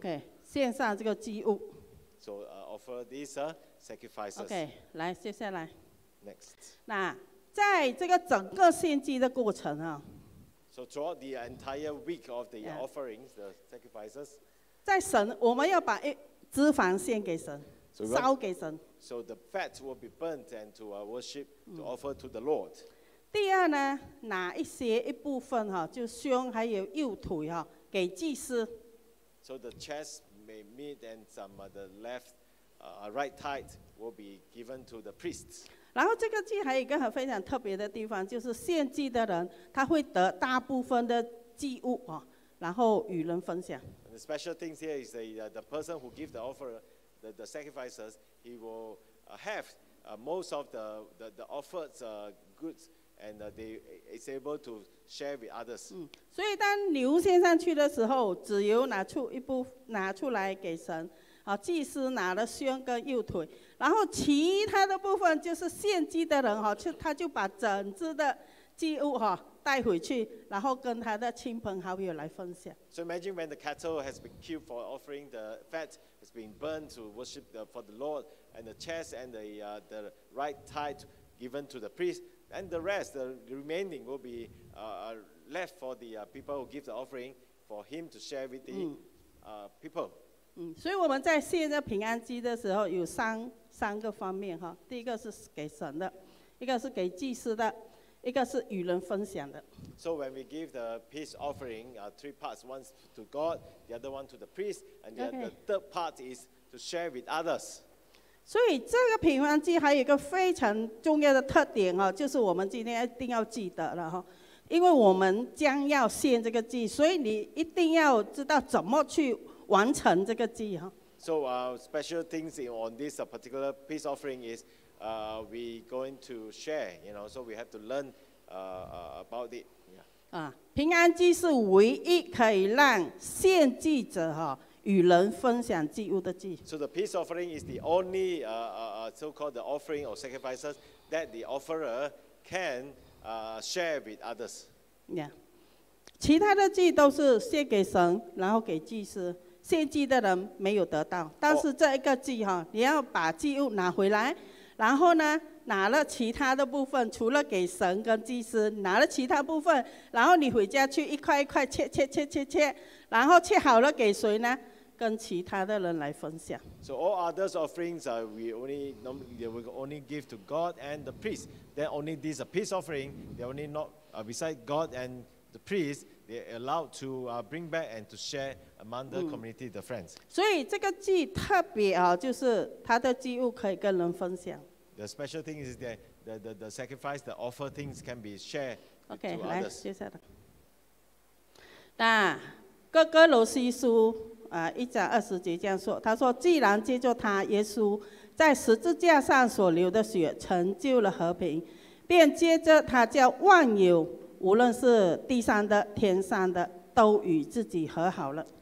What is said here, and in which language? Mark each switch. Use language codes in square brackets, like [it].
[zh] Okay, 献上这个祭物。 [en] So offer these sacrifices. [zh] Okay, 来，接下来。 [en] Next. [zh] 那在这个整个献祭的过程啊。 [en] So throughout the entire week of the offerings, the sacrifices. [zh] 在神，我们要把脂肪献给神，烧给神。 [en] So the fat will be burnt and to worship, to offer to the Lord. [zh] 第二呢，哪一些一部分哈，就胸还有右腿哈，给祭司。 [en] So the chest. May meat and some of the left, right thigh will be given to the priests. [zh] 然后这个祭还有一个很非常特别的地方，就是献祭的人他会得大部分的祭物啊，然后与人分享。 [en] And the special things here is the person who gives the offer, the sacrifices, he will have most of the offered goods, and they is able to share with others. [zh] 所以当牛献上去的时候，脂油拿出一部拿出来给神，好，祭司拿了胸跟右腿，然后其他的部分就是献祭的人哈，他就把整只的祭物哈带回去，然后跟他的亲朋好友来分享。 [en] So imagine when the cattle has been killed for offering the fat, has been burned to worship for the Lord, and the chest and the right thigh given to the priest. And the rest, the remaining will be left for the people who give the offering for him to share with the people. [zh] 所以我们在献这平安祭的时候有三个方面哈，第一个是给神的，一个是给祭司的，一个是与人分享的。 [en] So when we give the peace offering, three parts: one to God, the other one to the priest, and the third part is to share with others. [zh] 所以这个平安祭还有一个非常重要的特点哦，就是我们今天一定要记得了哈，因为我们将要献这个祭，所以你一定要知道怎么去完成这个祭哈。 [en] So special things on this particular peace offering is, we going to share, you know, so we have to learn, about it. Yeah. [zh] 平安祭是唯一可以让献祭者哈。与人分享祭物的祭。 [en] So the peace offering is the only so-called the offering or sacrifices that the offerer can share with others. Yeah. [zh] 其他的祭都是献给神，然后给祭司。献祭的人没有得到，但是这一个祭哈，你要把祭物拿回来，然后呢，拿了其他的部分，除了给神跟祭司，拿了其他部分，然后你回家去一块一块切切切切切。然后切好了给谁呢？跟其他的人来分享。 [en] So all others offerings are we only give to God and the priest. Then only this peace offering, they only not beside God and the priest, they allowed to bring back and to share among the community, the friends. [zh] 所以这个祭特别啊，就是他的祭物可以跟人分享。 [en] The special thing is that the sacrifice, the offer things can be shared to others. [zh] Okay, 来，接下来。那哥哥罗西书一章二十节这样说，他说既然借着他耶稣在十字架上所流的血成就了和平，便借着他叫万有无论是地上的天上的都与自己和好了。